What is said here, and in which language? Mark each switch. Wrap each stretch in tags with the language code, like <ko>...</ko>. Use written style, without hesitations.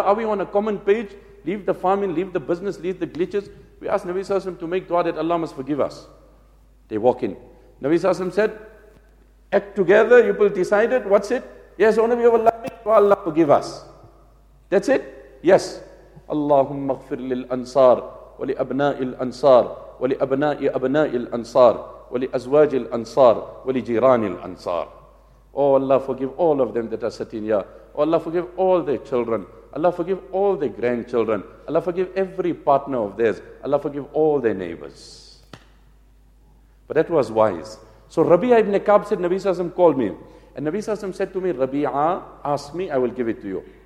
<en>Are we on a common page? Leave the farming, leave the business, leave the glitches. We asked Nabi Sallallahu Alaihi Wasallam to make dua that Allah must forgive us. They walk in. Nabi Sallallahu Alaihi Wasallam said, act together, you will decide it. What's it? Yes, only we have Allah, make dua Allah forgive us. That's it? Yes.</en> <ar>اللهم اغفر للأنصار ولأبناء الأنصار ولأبناء أبناء الأنصار ولأزواج الأنصار ولجيران الأنصار.</ar> <en>Oh Allah, forgive all of them that are sitting here. Oh Allah, forgive all their children. Allah, forgive all their grandchildren. Allah, forgive every partner of theirs. Allah, forgive all their neighbors. But that was wise. So Rabi'a ibn Ka'b said, Nabi Sassam called me. And Nabi Sassam said to me, Rabi'a, ask me, I will give it to you.</en>